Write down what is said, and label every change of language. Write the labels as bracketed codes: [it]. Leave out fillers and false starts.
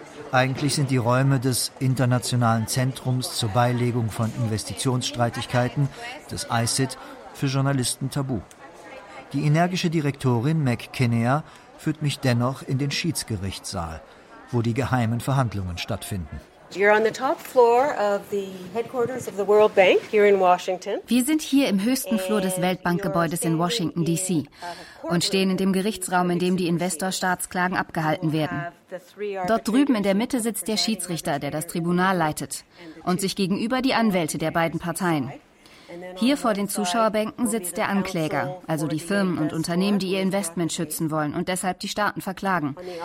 [de] Eigentlich sind die Räume des Internationalen Zentrums zur Beilegung von Investitionsstreitigkeiten, des ICIT, für Journalisten tabu. Die energische Direktorin Meg Kinnear führt mich dennoch in den Schiedsgerichtssaal, wo die geheimen Verhandlungen stattfinden. [en] You're on the top floor of the headquarters of the World Bank here in Washington. [de] Wir sind hier im höchsten Flur des Weltbankgebäudes in Washington DC und stehen in dem Gerichtsraum, in dem die Investorstaatsklagen abgehalten werden. Dort drüben in der Mitte sitzt der Schiedsrichter, der das Tribunal leitet, und sich gegenüber die Anwälte der beiden Parteien. Hier vor den Zuschauerbänken sitzt der Ankläger, also die Firmen und Unternehmen, die ihr Investment schützen wollen und deshalb die Staaten verklagen.